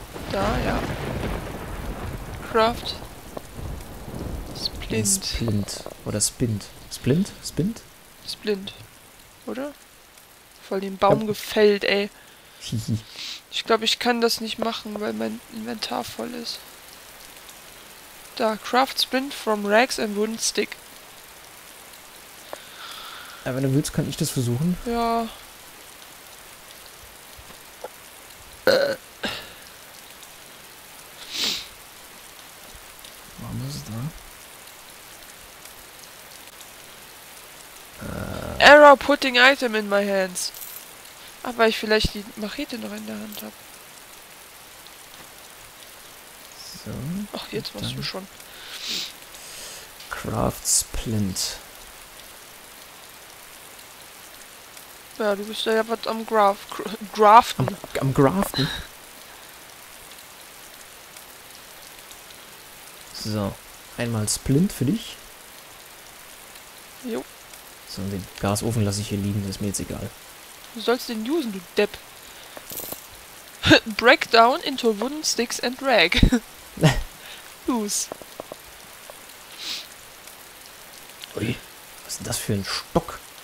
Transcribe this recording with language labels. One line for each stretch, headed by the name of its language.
German: Da, ja. Craft. Splint. Splint. Oder Spint. Splint? Spint? Splint. Oder? Voll den Baum gefällt, ey. Ich glaube, ich kann das nicht machen, weil mein Inventar voll ist.
English: Da, Craft Splint from Rags and Wooden Stick.
German: Ja, wenn du willst, kann ich das versuchen. Ja. Warum ist es da?
English: Error putting item in my hands.
German: Ach, weil ich vielleicht die Machete noch in der Hand habe. So. Ach, jetzt machst du schon.
English: Craft Splint.
German: Ja, du bist ja was am Graften. Am Graften? So. Einmal Splint für dich. Jo. So, den Gasofen lasse ich hier liegen, das ist mir jetzt egal. Du sollst den usen, du Depp.
English: Breakdown into wooden sticks and rag. Use.
German: Ui, was ist denn das für ein Stock?